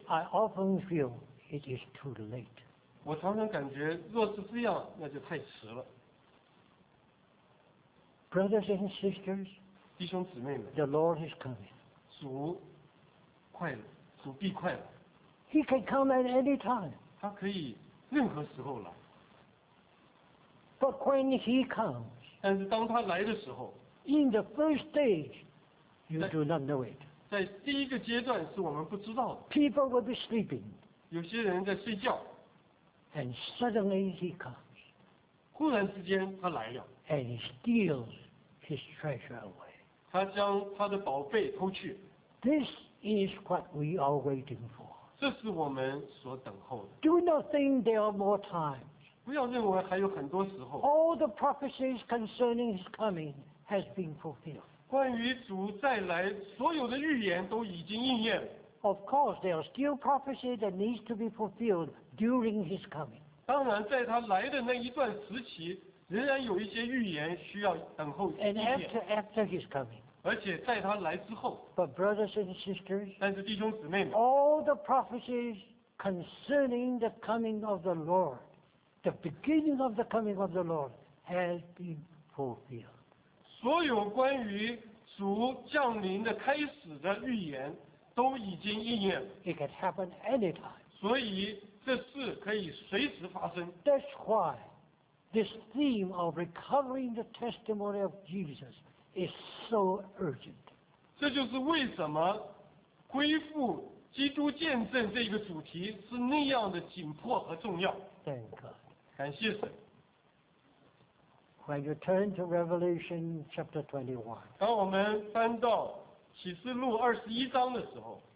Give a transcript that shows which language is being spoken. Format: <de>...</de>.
<en>I often feel it is too late。</en> <zh>我常常感觉，若是这样，那就太迟了。</zh> <en>Brothers and sisters，</en> <zh>弟兄姊妹们</zh> <en>，The Lord is coming。</en> <zh>主快了，主必快了。</zh> <en>He can come at any time。</en> <zh>他可以任何时候来。</zh> <en>But when he comes，</en> <zh>但是当他来的时候</zh> <en>，In the first stage， you do not know it。</en> <zh>在第一个阶段是我们不知道的。</zh> <en>People will be sleeping。</en> <zh>有些人在睡觉。</zh> <en>And suddenly he comes。</en> <zh>忽然之间他来了。</zh> <en>And he steals his treasure away。</en> <zh>他将他的宝贝偷去。</zh> <en>This is what we are waiting for。</en> <zh>这是我们所等候的。</zh> <en>Do not think there are more times。</en> <zh>不要认为还有很多时候。</zh> <en>All the prophecies concerning his coming has been fulfilled。</en> <zh>关于主再来，所有的预言都已经应验了。</zh> <en>Of course, there are still prophecies that needs to be fulfilled during his coming。</en> <zh>当然，在他来的那一段时期，仍然有一些预言需要等候应验。</zh> <en>And after his coming。</en> <zh>而且在他来之后。</zh> <en>But brothers and sisters。</en> <zh>但是弟兄姊妹们。</zh> <en>All the prophecies concerning the coming of the Lord。 The beginning of the coming of the Lord has been fulfilled。</en> <zh>所有关于主降临的开始的预言都已经应验了。</zh> <en>It can happen anytime。</en> <zh>所以这事可以随时发生。</zh> <en>That's why this theme of recovering the testimony of Jesus is so urgent。</en> <zh>这就是为什么恢复基督见证这个主题是那样的紧迫和重要。</zh> <en>Thank God。</en> <zh>感谢神。</zh> <en>When you turn to Revelation chapter 21，</en> <zh>当我们翻到启示录二十一章的时候</zh>